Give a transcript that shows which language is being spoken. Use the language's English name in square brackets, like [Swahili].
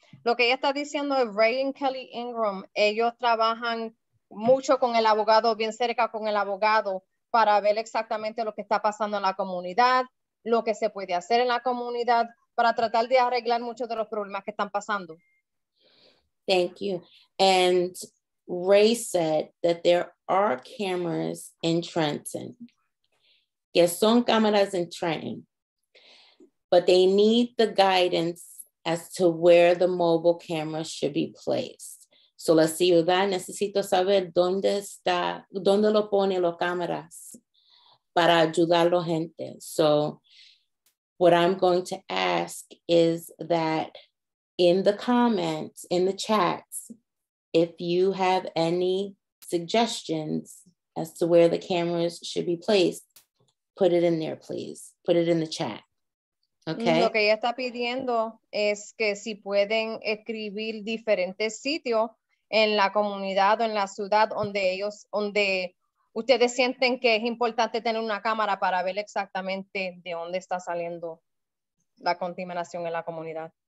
[Spanish] Lo que ella está diciendo es Ray and Kelly Ingram, ellos trabajan mucho con el abogado, bien cerca con el abogado, para ver exactamente lo que está pasando en la comunidad, lo que se puede hacer en la comunidad, para tratar de arreglar muchos de los problemas que están pasando. [English] Thank you. And Ray said that there are cameras in Trenton. Yes, son cameras in Trenton, but they need the guidance as to where the mobile camera should be placed. [Spanish] So la ciudad necesito saber dónde está, dónde lo pone los cámaras para ayudar a la gente. [English] So what I'm going to ask is that in the comments, in the chats, if you have any suggestions as to where the cameras should be placed, put it in there, please. Put it in the chat. Okay. [Spanish] Lo que ella está pidiendo es que si pueden escribir diferentes sitios en la comunidad o en la ciudad donde ellos, donde ustedes sienten que es importante tener una cámara para ver exactamente de dónde está saliendo la contaminación en la comunidad.